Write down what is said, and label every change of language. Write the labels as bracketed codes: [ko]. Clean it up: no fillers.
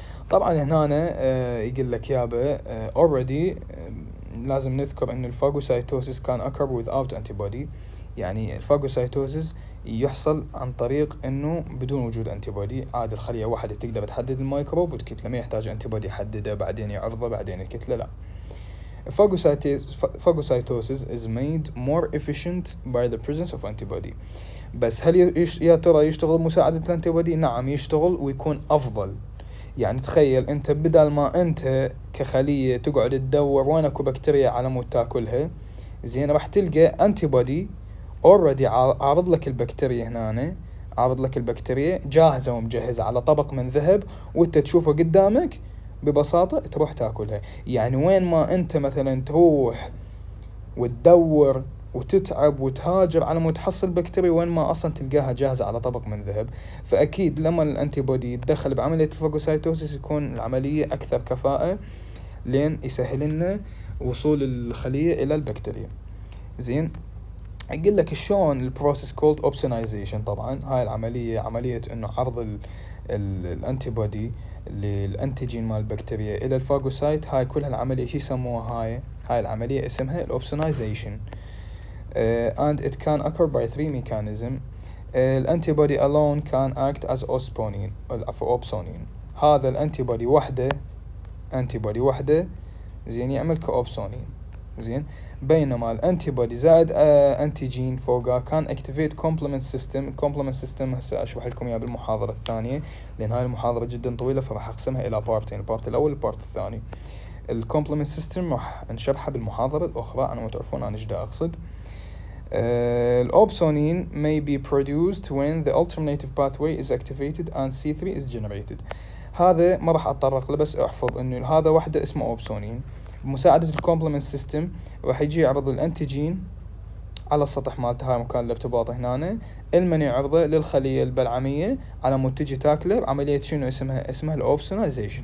[ar] طبعا هنا يقول لك يابا already لازم نذكر ان الفاجوسايتوسيس كان occur without antibody، يعني الفاجوسايتوسيس يحصل عن طريق انه بدون وجود انتيبودي، عاد الخلية واحدة تقدر تحدد الميكروب وتكتله، ما يحتاج انتيبودي يحدده بعدين يعرضه بعدين الكتله، لا. [en] Phagocytosis is made more efficient by the presence of antibody. [ar] بس هل يا ترى يشتغل مساعدة الانتيبودي؟ نعم يشتغل ويكون أفضل. يعني تخيل أنت بدل ما أنت كخلية تقعد تدور وين أكو بكتيريا على مود تأكلها، زين راح تلقى انتيبودي already عارض لك البكتيريا هنا، عارض لك البكتيريا جاهزة ومجهزة على طبق من ذهب، وأنت تشوفه قدامك ببساطة تروح تأكلها. يعني وين ما أنت مثلا تروح وتدور وتتعب وتهاجر على ما تحصل بكتيريا، وين ما أصلا تلقاها جاهزة على طبق من ذهب. فأكيد لما الأنتيبودي يتدخل بعملية الفاجوسايتوسيس يكون العملية أكثر كفاءة، لين يسهل لنا وصول الخلية إلى البكتيريا. زين اقول لك شلون البروسيس كولد اوبسونايزيشن. طبعا هاي العمليه عمليه انه عرض الانتي بودي للانتيجين مال البكتيريا الى الفاجوسايت. هاي كلها العمليه شو يسموها، هاي العمليه اسمها الاوبسونايزيشن. [en] And it can occur by three mechanisms. الانتيبودي alone can act as اوسبونين اوبسونين. [ar] هذا الانتيبودي وحده، انتيبودي وحده زين يعمل كاوبسونين زين، بينما الانتيبودي زائد انتيجين فوقه كان اكتيفيت كومبلمنت سيستم. كومبلمنت سيستم هسه اشرح لكم اياه بالمحاضره الثانيه، لان هاي المحاضره جدا طويله فراح اقسمها الى بارتين، البارت الاول والبارت الثاني. الكومبلمنت سيستم راح نشرحها بالمحاضره الاخرى، انا ما تعرفون انا ايش دا اقصد. [en] الأوبسونين may be produced when the alternative pathway is activated and C3 is generated. [ar] هذا ما راح أتطرق له، بس أحفظ إنه هذا واحدة اسمه أوبسونين. بمساعدة الكومبلمنت سيستم راح يجي يعرض الأنتيجين على السطح مالته، هاي مكان الارتباط هنا، المن يعرضه للخلية البلعمية على مود تجي تاكله بعملية شنو اسمها، اسمها الأوبسونيزيشن.